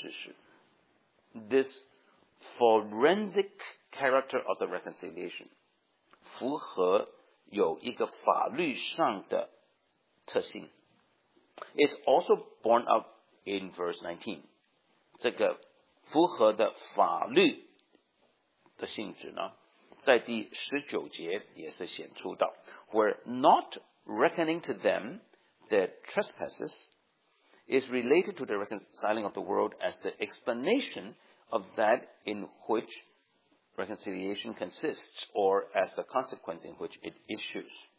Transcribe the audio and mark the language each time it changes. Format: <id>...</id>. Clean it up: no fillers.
<zh>这里很清楚地向我们指出，是基督代罪的、替代的那个担当罪的大功，使符合成为事实。This</zh> <en>forensic character of the reconciliation</en> <zh>符合有一个法律上的特性。</zh> <en>It's also born up in verse 19.</en> <zh>这个符合的法律的性质呢，在第十九节也是显出的。Where</zh> <en>not reckoning to them their trespasses is related to the reconciling of the world as the explanation of that in which reconciliation consists or as the consequence in which it issues.</en>